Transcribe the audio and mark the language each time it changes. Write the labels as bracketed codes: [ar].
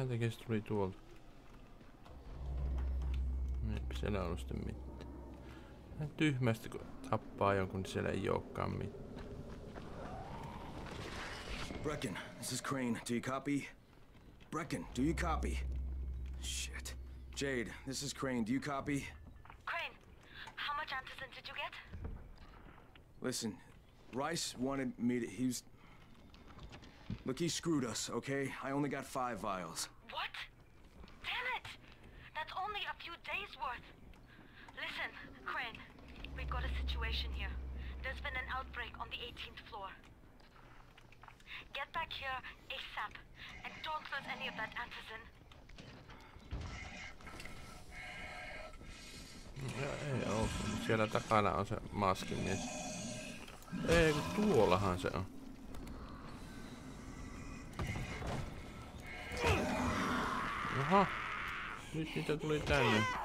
[fi] Se tuli tuolta. Eipä siellä ollut sitten mitään. Vähän tyhmästi, kun tappaa jonkun, niin siellä ei olekaan mitään. [en] Brecken, this is Crane. Do you copy? Brecken, do you copy? Shit. Jade, this is Crane. Do you copy? Crane, much antisen did you get? Listen, Rais wanted me to... He's... Look, he screwed us, okay? I only got 5 vials. What? Damn it! That's only a few days worth. Listen, Crane, we've got a situation here. There's been an outbreak on the 18th floor. Get back here ASAP, and don't lose any of that antisen. [fi] Ei ole, siellä takana on se maskimies. Ei, kun tuollahan se on. Aha, nyt niitä tuli tänne.